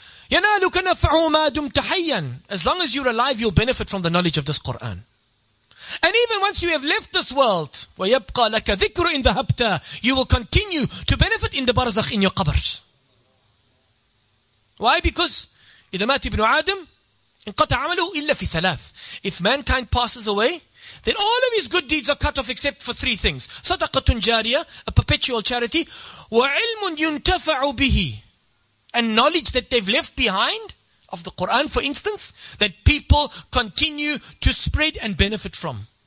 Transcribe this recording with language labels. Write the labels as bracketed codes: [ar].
[ar] يَنَالُكَ نَفْعُ مَا دُمْتَ حَيًّا. [en] As long as you're alive, you'll benefit from the knowledge of this Quran. And even once you have left this world, [ar] وَيَبْقَى لَكَ ذِكْرُ إِنْ ذَهَبْتَ. [en] You will continue to benefit in the barzakh, in your qabr. Why? Because [ar] إِذَا مَاتِ ابْنُ عَادِمٍ انْقَطَ عَمَلُهُ إِلَّا فِي ثَلَاثٍ. [en] If mankind passes away, then all of his good deeds are cut off except for three things. [ar] Sadaqatun jariya, [en] a perpetual charity. [ar] Wa ilmun yuntafa'u bihi. [en] And knowledge that they've left behind of the Quran, for instance, that people continue to spread and benefit from.